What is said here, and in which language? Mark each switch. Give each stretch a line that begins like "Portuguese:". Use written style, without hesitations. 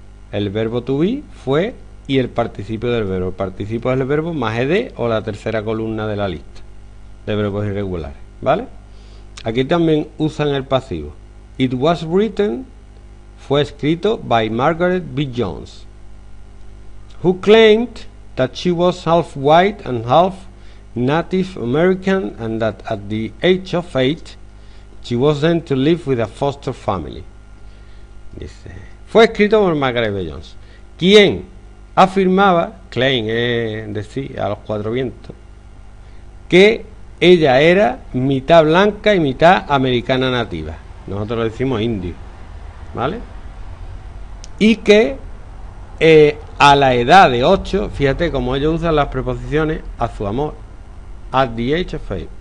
Spanish: El verbo to be fue y el participio del verbo. El participio del verbo más ed o la tercera columna de la lista de verbos irregulares. ¿Vale? Aquí también usan el pasivo.
English: It was written,
Spanish: fue escrito
English: by
Spanish: Margaret B.
English: Jones, who claimed that she was half white and half Native American, and that at the age of eight she was sent to live with a foster family.
Spanish: Dice, fue escrito por Margaret B. Jones, quien afirmaba, claim, decir, a los cuatro vientos, que ella era mitad blanca y mitad americana nativa. Nosotros lo decimos indio, ¿vale? Y que a la edad de 8, fíjate cómo ellos usan las preposiciones a su amor.
English: At the age of 8.